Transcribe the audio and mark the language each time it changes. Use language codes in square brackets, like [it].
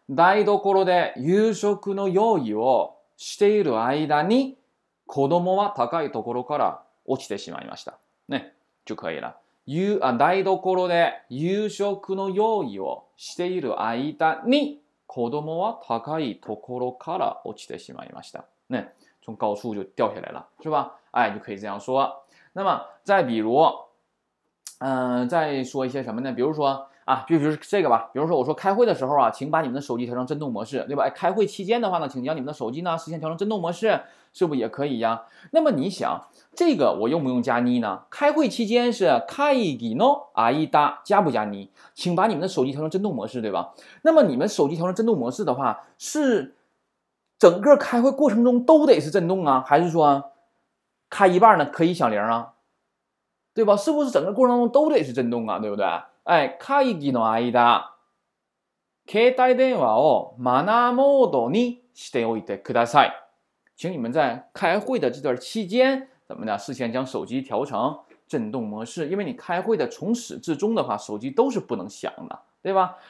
[ja] 台所で夕食の用意をしている間に子供は高いところから落ちてしまいました。ね、 [zh] 就可以了。 [ja] 台所で夕食の用意をしている間に子供は高いところから落ちてしまいました。 [zh] ね、从高处就掉下来了，是吧？哎，就可以这样说。那么再比如，再说一些什么呢？比如说啊，就是这个吧。比如说，我说开会的时候啊，请把你们的手机调成震动模式，对吧？哎，开会期间的话呢，请将你们的手机呢实现调成震动模式，是不是也可以呀？那么你想，这个我用不用加你呢？开会期间是 [ja] 会議の間， [zh] 加不加你？请把你们的手机调成震动模式，对吧？那么你们手机调成震动模式的话，是整个开会过程中都得是震动啊，还是说？开一半呢可以响铃啊，对吧？是不是整个过程中都得是震动啊，对不对？ [ja] 哎，会議の間、携帯電話をマナーモードにしておいてください。 [zh] 请你们在开会的这段期间怎么呢？事先将手机调成震动模式，因为你开会的从始至终的话，手机都是不能响的，对吧？